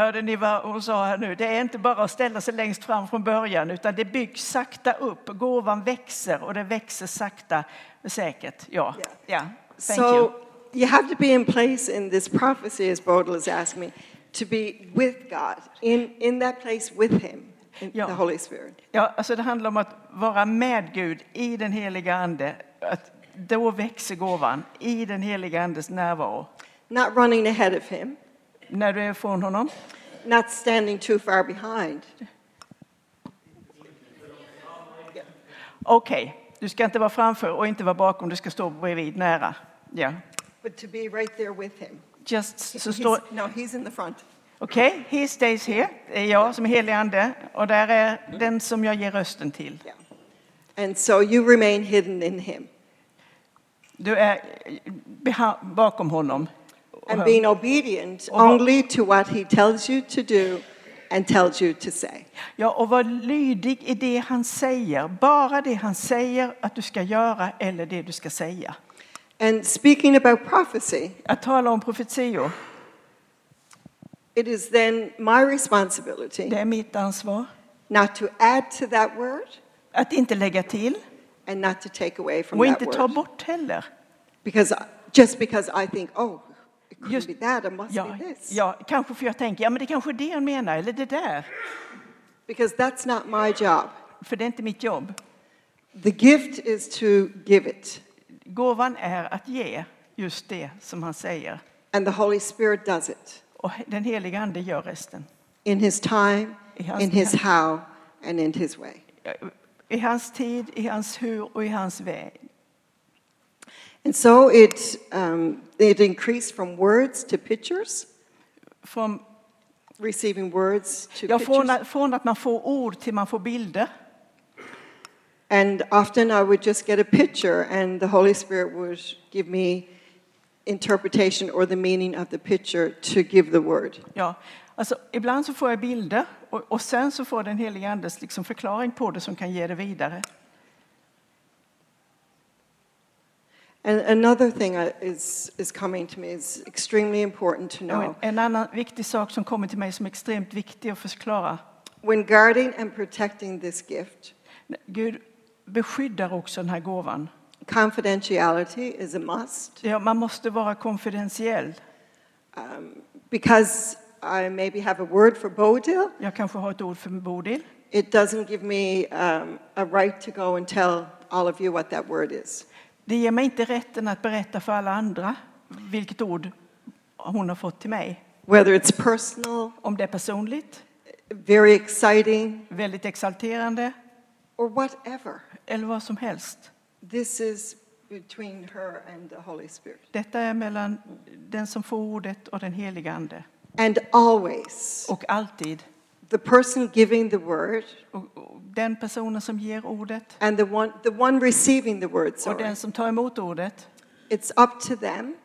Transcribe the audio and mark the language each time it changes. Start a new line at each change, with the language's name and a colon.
Swedish: Hörde ni vad hon sa här nu? Det är inte bara att ställa sig längst fram från början, utan det byggs sakta upp. Gåvan växer och det växer sakta säkert.
English: Ja. Yeah. Yeah. Thank so, you. You have to be in place in this prophecy as Bodil has asked me to be with God in that place with him in ja. The Holy Spirit.
Swedish: Ja, alltså det handlar om att vara med Gud i den heliga ande att då växer gåvan i den heliga andes närvaro.
English: Not running ahead of him.
Swedish: När du är från honom.
English: Not standing too far behind. Yeah. Okej, okay.
Swedish: Du ska inte vara framför och inte vara bakom. Du ska stå bredvid nära. Yeah.
English: But to be right there with him. Just so he's, no, he's in the front. Okej, okay. He stays here.
Swedish: Det är jag som är helig ande. Och där är den som jag ger rösten till.
English: Yeah. And so you remain hidden in him.
Swedish: Du är bakom honom.
English: And being obedient only to what he tells you to do and tells you to say.
Swedish: Ja, och var lydig i det han säger, bara det han säger att du ska göra eller det du ska säga.
English: And speaking about prophecy.
Swedish: Att tala om profetior.
English: It is then my responsibility.
Swedish: Det är mitt ansvar.
English: Not to add to that word.
Swedish: Att inte lägga till.
English: And not to take away from that word.
Swedish: Och inte ta bort heller.
English: Because I think, oh, just be that, it must
Swedish: ja,
English: be this.
Swedish: Ja, kanske för jag tänker, ja men det kanske är det han menar, eller det där.
English: Because that's not my job.
Swedish: För det är inte mitt jobb.
English: The gift is to give it.
Swedish: Gåvan är att ge just det som han säger.
English: And the Holy Spirit does it.
Swedish: Och den heliga ande gör resten.
English: In his time, in his how, and in his way.
Swedish: I hans tid, i hans hur och i hans väg.
English: And so it increased from words to pictures. From receiving words to
Swedish: jag
English: pictures.
Swedish: Ja, från att man får ord till man får bilder.
English: And often I would just get a picture and the Holy Spirit would give me interpretation or the meaning of the picture to give the word.
Swedish: Ja, alltså ibland så får jag bilder och sen så får den helige andes liksom förklaring på det som kan ge det vidare.
English: And another thing is coming to me is extremely important to know.
Swedish: En annan viktig sak som kommer till mig som är extremt viktig att förklara.
English: When guarding and protecting this gift.
Swedish: Gud beskyddar också den här gåvan.
English: Confidentiality is a must.
Swedish: Ja, man måste vara konfidentiell.
English: Because I maybe have a word for Bodil.
Swedish: Jag kanske har ett ord för Bodil.
English: It doesn't give me a right to go and tell all of you what that word is.
Swedish: Det ger mig inte rätten att berätta för alla andra vilket ord hon har fått till mig.
English: Whether it's personal,
Swedish: om det är personligt,
English: very exciting,
Swedish: väldigt exalterande,
English: or whatever,
Swedish: eller vad som helst.
English: This is between her and the Holy Spirit.
Swedish: Detta är mellan den som får ordet och den heliga ande.
English: And always,
Swedish: och alltid,
English: the person giving the word,
Swedish: den personen som ger ordet,
English: and the one receiving the word, sorry,
Swedish: och den som tar emot ordet,
English: it's up to them,